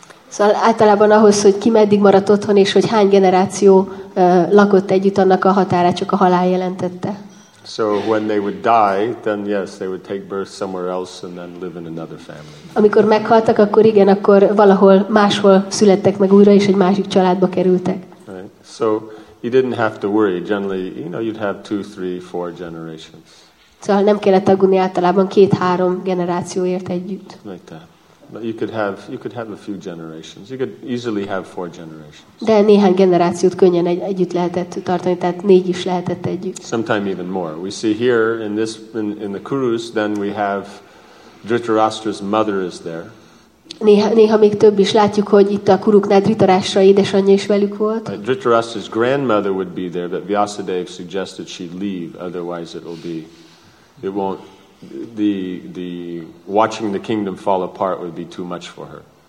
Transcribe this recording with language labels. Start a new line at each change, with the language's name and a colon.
Hungarian: Szóval általában ahhoz, hogy ki meddig maradt otthon, és hogy hány generáció lakott együtt, annak a határa csak a halál jelentette.
English: So when they would die, then yes, they would take birth somewhere else and then live in another family.
Hungarian: Amikor meghaltak, akkor igen, akkor valahol máshol születtek meg újra, és egy másik családba kerültek.
English: Right. So you didn't have to worry. Generally, you know, you'd have 2, 3, 4 generations.
Hungarian: Szóval nem kellett aggódni általában 2-3 generációért együtt.
English: Like that. But you could have a few generations. You could easily have 4 generations.
Hungarian: De néhány generációt könnyen együtt lehetett tartani, tehát 4 is lehetett együtt.
English: Sometime even more. We see here in the Kurus, then we have Dhritarashtra's mother is there.
Hungarian: Néha még több is látjuk, hogy itt a Kuruknál Dhritarashtra édesanyja is velük volt.
English: Dhritarashtra's grandmother would be there, but Vyasadeva suggested she leave, otherwise it won't. The watching the kingdom fall apart would be too much for her.